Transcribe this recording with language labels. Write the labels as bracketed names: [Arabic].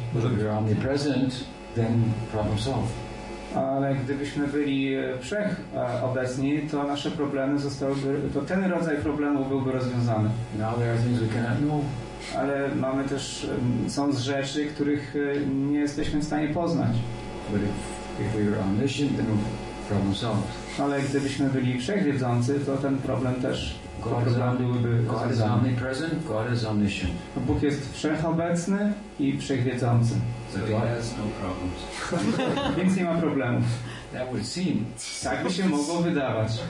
[English] If you're omnipresent, then problem solved. [Polish] Ale gdybyśmy byli wszechobecni, to nasze problemy zostałyby, to ten rodzaj problemów byłby rozwiązany. [English] Now there are things we cannot know. [Polish] Ale mamy też, są rzeczy, których nie jesteśmy w stanie poznać. [English] But if we were omniscient, then problem solved. [Polish] Ale gdybyśmy byli wszechwiedzący, to ten problem też byłby rozwiązany. [English] God is omnipresent, God is omniscient. [Polish] Bóg jest wszechobecny i wszechwiedzący. [English] So [Polish] więc nie ma problemów. [English] That would seem. [Polish] Tak by się mogło wydawać.